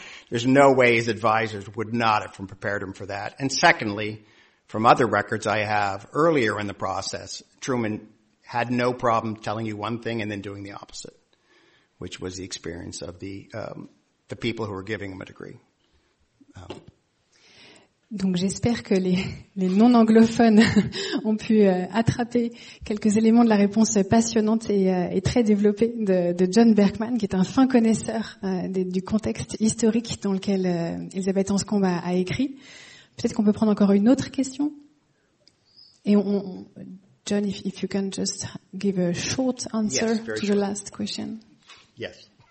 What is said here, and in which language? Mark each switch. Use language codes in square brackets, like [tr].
[en] There's no way his advisors would not have prepared him for that. And secondly, from other records I have earlier in the process, Truman had no problem telling you one thing and then doing the opposite, which was the experience of the people who were giving him a degree. [fr] Donc j'espère que les non-anglophones ont pu attraper quelques éléments de la réponse passionnante et très développée de John Berkman, qui est un fin connaisseur du contexte historique dans lequel Elisabeth Anscombe a écrit. Peut-être qu'on peut prendre encore une autre question. [en] Et John, if you can just give a short answer, yes, very to short. The last question. Yes.